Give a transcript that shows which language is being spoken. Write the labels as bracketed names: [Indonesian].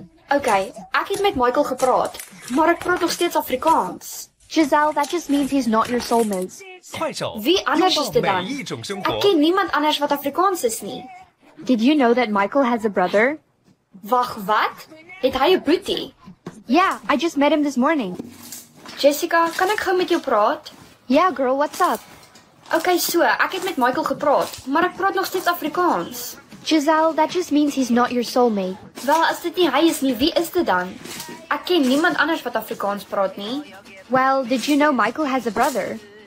[Afrikaans] Okay, ek het met Michael gepraat, maar ek praat nog steeds Afrikaans. [English] Giselle, that just means he's not your soulmate. Quite all. [Afrikaans] Wie anders is dit dan? Ek ken niemand anders wat Afrikaans is nie. [English] Did you know that Michael has a brother? [Afrikaans] Wag, wat? Het hy 'n broertjie? [English] Yeah, I just met him this morning. [Afrikaans] Jessica, kan ek gou met jou praat? [English] Yeah, girl, what's up? [Afrikaans] Okay, so, ek het met Michael gepraat, maar ek praat nog steeds Afrikaans. [English] Giselle, that just means he's not your soulmate. [Afrikaans] Wel, as dit nie hy is nie, wie is dit dan? Ek ken niemand anders wat Afrikaans praat nie. [English] Well, did you know Michael has a brother?